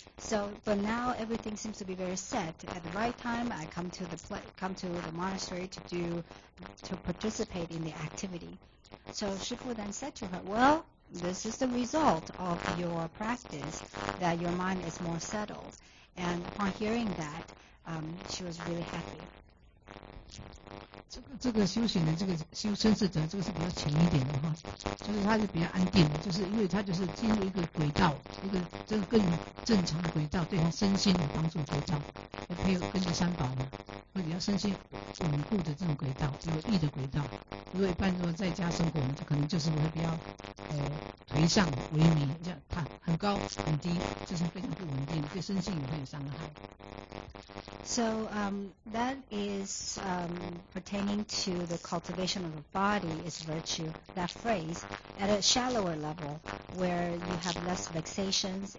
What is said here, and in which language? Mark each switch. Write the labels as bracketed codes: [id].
[en] So for now, everything seems to be very set. At the right time, I come to the monastery to participate in the activity. So Shifu then said to her, well, this is the result of your practice, that your mind is more settled. And upon hearing that, she was really happy. [zh] 这个修行的这个修身是怎样，这个是比较浅一点的哈，就是他是比较安定的，就是因为他就是进入一个轨道，一个这个更正常的轨道，对他身心有帮助的轨道，配合跟着三宝嘛，会比较身心稳固的这种轨道，有益的轨道。如果一般如果在家生活，我们就可能就是会比较颓丧萎靡，这样他很高很低，就是非常不稳定，对身心也会有伤害。 [en] So that is pertaining to the cultivation of the body is virtue, that phrase, at a shallower level where you have less vexations.